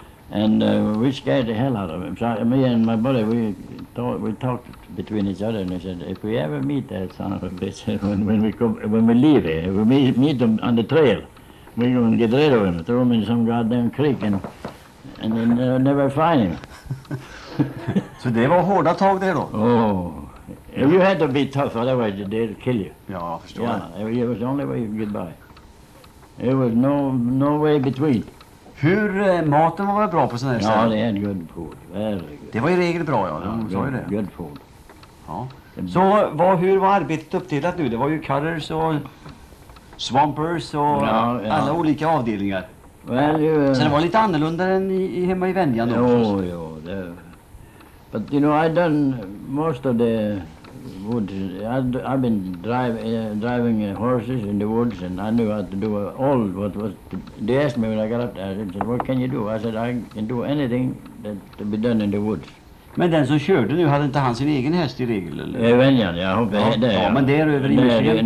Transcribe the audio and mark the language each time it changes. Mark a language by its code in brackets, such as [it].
[en] And we scared the hell out of him. So me and my buddy, we talked between each other, and we said, if we ever meet that son of a bitch when we leave here, if we meet him on the trail, we're going to get rid of him, throw him in some goddamn creek, and then never find him. So they were [sv] hårda tag [en] there, though. Oh, if you had to be tough, otherwise they'd kill you. Yeah, it was the only way you could get by. There was no way between. [sv] Hur maten var bra på sån här ställen? Ja, det är en [en] good food. Very good. [sv] Det var i regel bra, ja. De sa ju det. [en] Good food. [sv] Så vad, hur var arbetet uppdelat nu? Det var ju cutters och swampers och alla olika avdelningar. [en] Well, [sv] så det var lite annorlunda än i hemma i Vänjan då? Jo, det. [en] But you know, I done most of the woods. I've been driving horses in the woods, and I knew how to do all what was. They asked me when I got up there. I said, "What can you do?" I said, "I can do anything that to be done in the woods." [sv] Men den som körde nu hade inte han sin egen häst i regel eller? Vänjan, jag hoppas ja, det. Ja, men där över i Michigan.